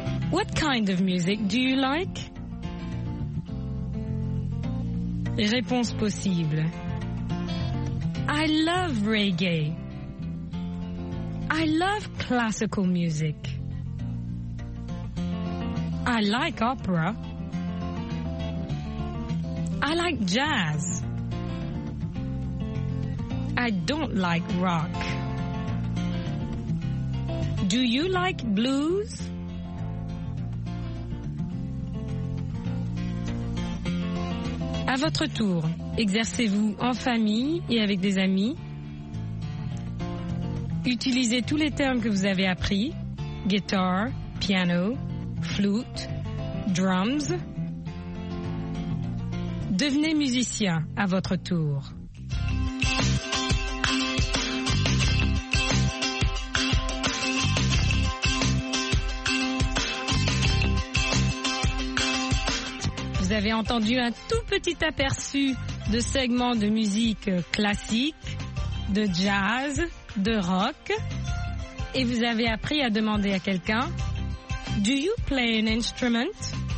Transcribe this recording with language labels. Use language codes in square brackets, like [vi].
[en] What kind of music do you like? [fr] Les réponses possibles. [en] I love reggae. I love classical music. I like opera. I like jazz. I don't like rock. Do you like blues? [fr] À votre tour, exercez-vous en famille et avec des amis. Utilisez tous les termes que vous avez appris. [en] Guitar, piano, flute, drums. [fr] Devenez musicien à votre tour. Vous avez entendu un tout petit aperçu de segments de musique classique, de jazz, de rock, et vous avez appris à demander à quelqu'un « [en] Do you play an instrument?